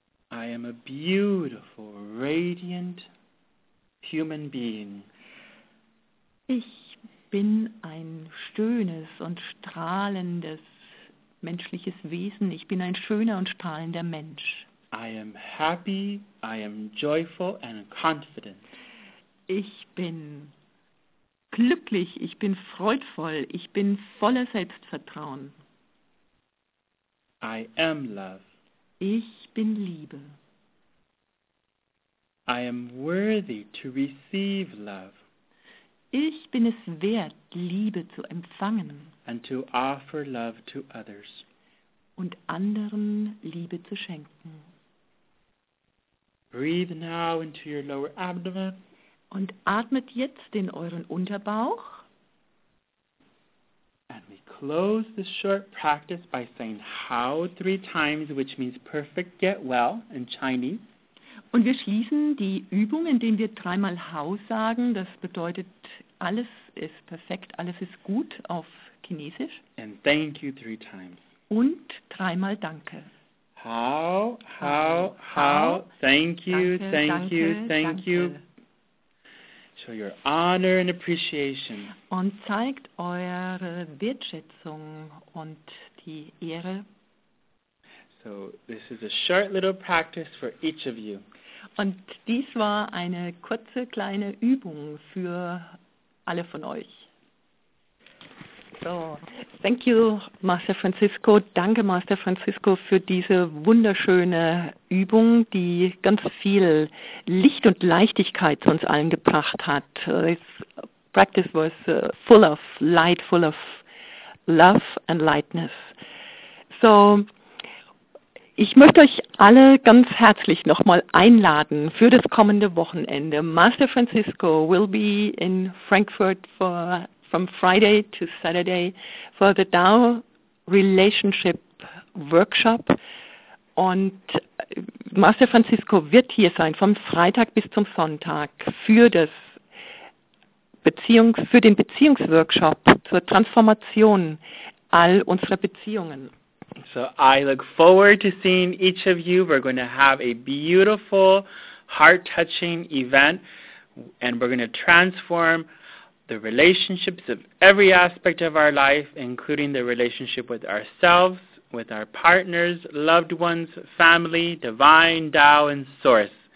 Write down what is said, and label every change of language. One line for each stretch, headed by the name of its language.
English: I am a beautiful, radiant human being.
German: Ich bin ein schönes und strahlendes menschliches Wesen. Ich bin ein schöner und strahlender Mensch.
English: I am happy, I am joyful and confident.
German: Ich bin glücklich, ich bin freudvoll, ich bin voller Selbstvertrauen.
English: I am love.
German: Ich bin Liebe.
English: I am worthy to receive love.
German: Ich bin es wert, Liebe zu empfangen.
English: And to offer love to others.
German: Und anderen Liebe zu schenken.
English: Breathe now into your lower abdomen.
German: Und atmet jetzt in euren Unterbauch.
English: And we close. close this short practice by saying how three times, which means perfect get well in Chinese.
German: Und wir schließen die Übung, indem wir dreimal hau sagen. Das bedeutet, alles ist perfekt, alles ist gut auf Chinesisch.
English: And thank you three times.
German: Und dreimal danke.
Chinese: Hau, hau, hau,
English: thank you,
German: danke,
English: thank
German: danke,
English: you, thank
German: danke.
English: You. Show your honor and appreciation.
German: Und zeigt eure Wertschätzung und die Ehre.
English: So this is a short little practice for each of you.
German: Und dies war eine kurze kleine Übung für alle von euch.
English: So, thank you, Master Francisco.
German: Danke, Master Francisco, für diese wunderschöne Übung, die ganz viel Licht und Leichtigkeit zu uns allen gebracht hat.
English: This practice was full of light, full of love and lightness.
German: So, ich möchte euch alle ganz herzlich nochmal einladen für das kommende Wochenende.
English: Master Francisco will be in Frankfurt from Friday to Saturday for the Tao Relationship Workshop.
German: Und Master Francisco wird hier sein vom Freitag bis zum Sonntag für den Beziehungsworkshop zur Transformation all unserer Beziehungen.
English: So I look forward to seeing each of you. We're going to have a beautiful, heart-touching event, and we're going to transform the relationships of every aspect of our life, including the relationship with ourselves, with our partners, loved ones, family, divine, Tao, and source.